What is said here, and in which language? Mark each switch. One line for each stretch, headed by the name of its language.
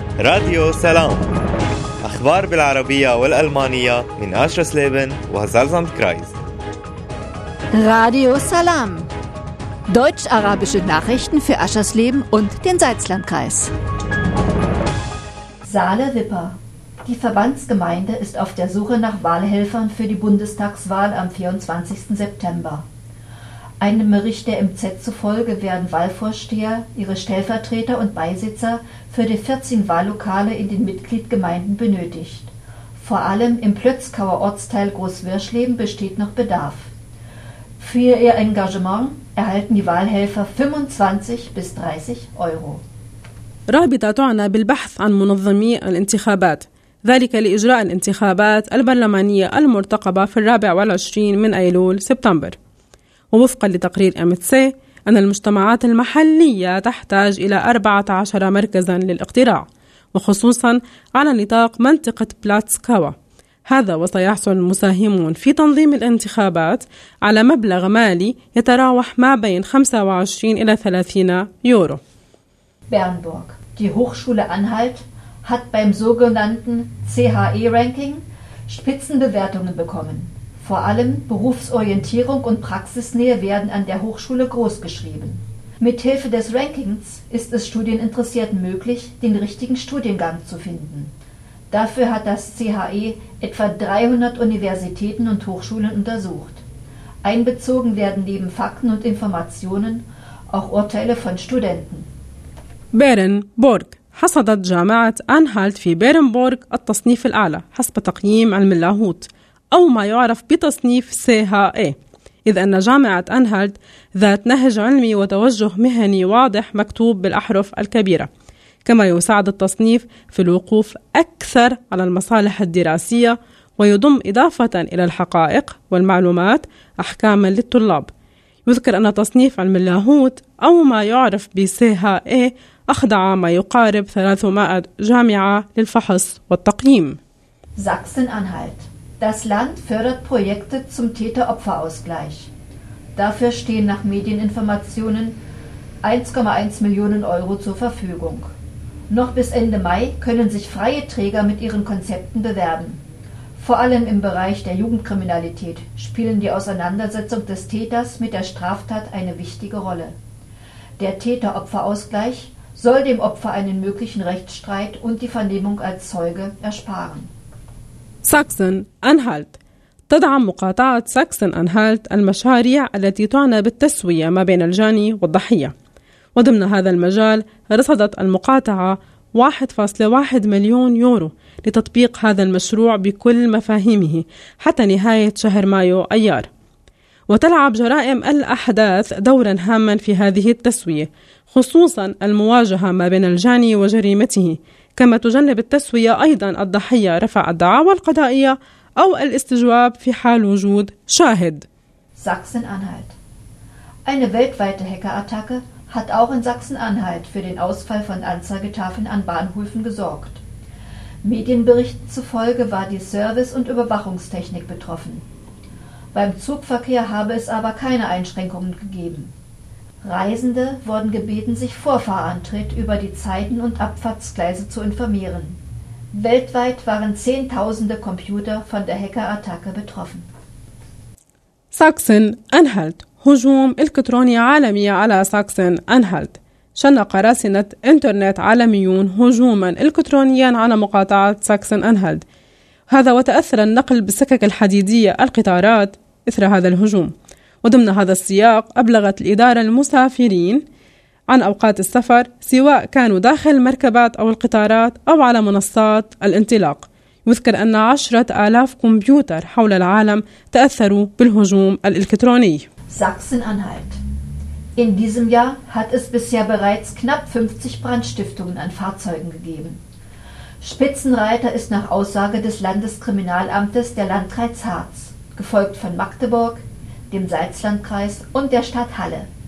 Arabic: راديو سلام، أخبار بالعربية والألمانية من أشرة سليبن وزلزان كرايز.
German: راديو سلام، Deutsch Arabische Nachrichten für Aschersleben und den Salzlandkreis. Saale Wipper. Die Verbandsgemeinde ist auf der Suche nach Wahlhelfern für die Bundestagswahl am 24. September. Einem Bericht der MZ zufolge werden Wahlvorsteher, ihre Stellvertreter und Beisitzer für die 14 Wahllokale in den Mitgliedgemeinden benötigt. Vor allem im Plötzkauer Ortsteil Großwirschleben besteht noch Bedarf. Für ihr Engagement erhalten die Wahlhelfer 25 bis 30 Euro.
Arabic: رابطة تعنى بالبحث عن منظمي الانتخابات، ذلك لإجراء الانتخابات البرلمانية المرتقبة في 24 من أيلول سبتمبر. ووفقا لتقرير MTC أن المجتمعات المحلية تحتاج إلى 14 مركزا للاقتراع، وخصوصا على نطاق منطقة بلاتسكاوا. هذا وسيحصل المساهمون في تنظيم الانتخابات على مبلغ مالي يتراوح ما بين 25 إلى 30 يورو.
German: Bernburg. Die Hochschule Anhalt hat beim sogenannten CHE-Ranking Spitzenbewertungen bekommen. Vor allem Berufsorientierung und Praxisnähe werden an der Hochschule großgeschrieben. Mithilfe des Rankings ist es Studieninteressierten möglich, den richtigen Studiengang zu finden. Dafür hat das CHE etwa 300 Universitäten und Hochschulen untersucht. Einbezogen werden neben Fakten und Informationen auch Urteile von Studenten.
Arabic: بيرنبورغ. حصدت جامعة أنهالت في بيرنبورغ التصنيف الأعلى حسب تقييم علم اللاهوت أو ما يعرف بتصنيف CHE، إذ أن جامعة أنهالت ذات نهج علمي وتوجه مهني واضح مكتوب بالأحرف الكبيرة، كما يساعد التصنيف في الوقوف أكثر على المصالح الدراسية ويضم إضافة إلى الحقائق والمعلومات أحكاما للطلاب. يذكر أن تصنيف علم اللاهوت أو ما يعرف بـ CHE أخضع ما يقارب 300 جامعة للفحص والتقييم.
German: Sachsen-Anhalt. Das Land fördert Projekte zum Täter-Opfer-Ausgleich. Dafür stehen nach Medieninformationen 1,1 Millionen Euro zur Verfügung. Noch bis Ende Mai können sich freie Träger mit ihren Konzepten bewerben. Vor allem im Bereich der Jugendkriminalität spielen die Auseinandersetzung des Täters mit der Straftat eine wichtige Rolle. Der Täter-Opfer-Ausgleich soll dem Opfer einen möglichen Rechtsstreit und die Vernehmung als Zeuge ersparen. Sachsen-Anhalt.
Arabic: تدعم مقاطعة ساكسن-أنهالت المشاريع التي تعنى بالتسوية ما بين الجاني والضحية. وضمن هذا المجال رصدت المقاطعة 1.1 مليون يورو لتطبيق هذا المشروع بكل مفاهيمه حتى نهاية شهر مايو أيار. وتلعب جرائم الأحداث دورا هاما في هذه التسوية، خصوصا المواجهة ما بين الجاني وجريمته، كما تجنب التسوية أيضا الضحية رفع الدعاوى القضائية أو الاستجواب في حال وجود شاهد.
German: Sachsen-Anhalt. Eine weltweite Hacker-Attacke hat auch in Sachsen-Anhalt für den Ausfall von Anzeigetafeln an Bahnhöfen gesorgt. Medienberichten zufolge war die Service- und Überwachungstechnik betroffen. Beim Zugverkehr habe es aber keine Einschränkungen gegeben. Reisende wurden gebeten, sich vor Fahrantritt über die Zeiten und Abfahrtsgleise zu informieren. Weltweit waren Zehntausende Computer von der Hackerattacke betroffen. Sachsen-Anhalt.
Arabic: هجوم إلكتروني عالمي على ساكسن-أنهالت. شنق راسنة إنترنت عالميون هجوماً إلكترونياً على مقاطعة ساكسن-أنهالت. هذا وتأثر النقل بالسكك الحديدية القطارات إثر هذا الهجوم. وضمن هذا السياق أبلغت الإدارة المسافرين عن أوقات السفر سواء كانوا داخل المركبات أو القطارات أو على منصات الانطلاق. يذكر أن 10,000 كمبيوتر حول العالم تأثروا بالهجوم الإلكتروني.
German: Sachsen-Anhalt. In diesem Jahr hat es bisher bereits knapp 50 Brandstiftungen an Fahrzeugen gegeben. Spitzenreiter ist nach Aussage des Landeskriminalamtes der Landkreis Harz, gefolgt von Magdeburg, dem Salzlandkreis und der Stadt Halle.